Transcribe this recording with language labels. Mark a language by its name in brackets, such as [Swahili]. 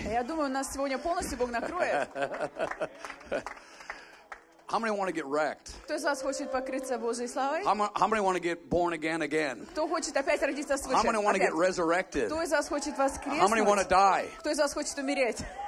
[Russian] Я думаю, нас сегодня полностью Бог накроет. [English] How many want to get wrecked? [Russian] Кто из вас хочет покрыться Божьей славой? [English] How many want to get born again again? [Russian] Кто хочет опять родиться свыше? [English] How many want to get resurrected? [Russian] Кто из вас хочет воскреснуть? [English] How many want to die? [Russian] Кто из вас хочет умереть?